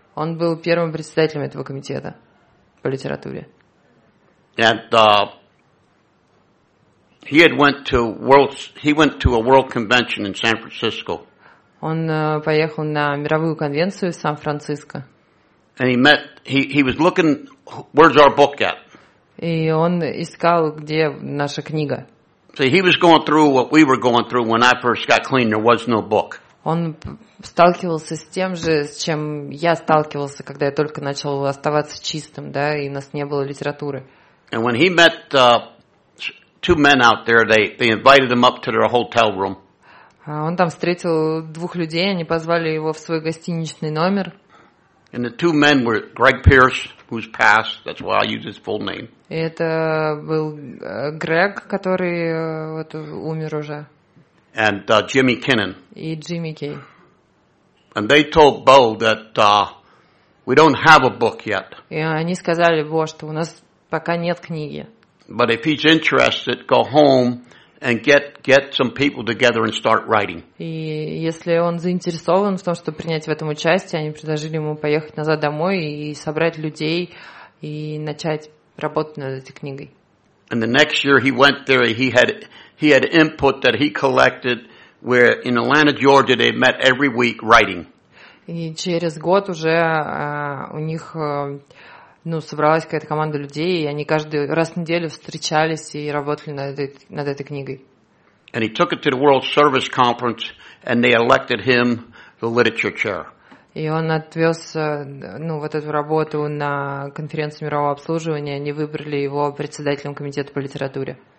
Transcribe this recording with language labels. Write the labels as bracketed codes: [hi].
[ru] Он был первым председателем этого комитета по литературе. [en] And He went to a world convention in San Francisco. [ru] Он поехал на мировую конвенцию в Сан-Франциско. [en] And he was looking, where's our book at? [ru] И он искал, где наша книга. [en] So he was going through what we were going through when I first got clean. There was no book. [ru] Он сталкивался с тем же, с чем я сталкивался, когда я только начал оставаться чистым, да, и у нас не было литературы. [en] And when he met two men out there, they invited him up to their hotel room. [ru] Он там встретил двух людей, они позвали его в свой гостиничный номер. [en] And the two men were Greg Pierce, who's passed. That's why I use his full name. [ru] Это был Грег, который вот умер уже. [en] And Jimmy Kinnan. [ru] И Джимми Кей. [en] And they told Bo that we don't have a book yet. [ru] И они сказали Бо, что у нас пока нет книги. [en] But if he's interested, go home and get some people together and start writing. [ru] И если он заинтересован в том, чтобы принять в этом участие, они предложили ему поехать назад домой и собрать людей и начать работу над этой книгой. [en] And the next year he went there, he had input that he collected where in Atlanta, Georgia, they met every week writing. [ru] И через год уже у них ну, собралась какая-то команда людей, и они каждый раз в неделю встречались и работали над этой книгой. [en] And he took it to the World Service Conference, and they elected him the literature chair. [ru] И он отвез, ну, вот эту работу на конференцию мирового обслуживания, они выбрали его председателем комитета по литературе.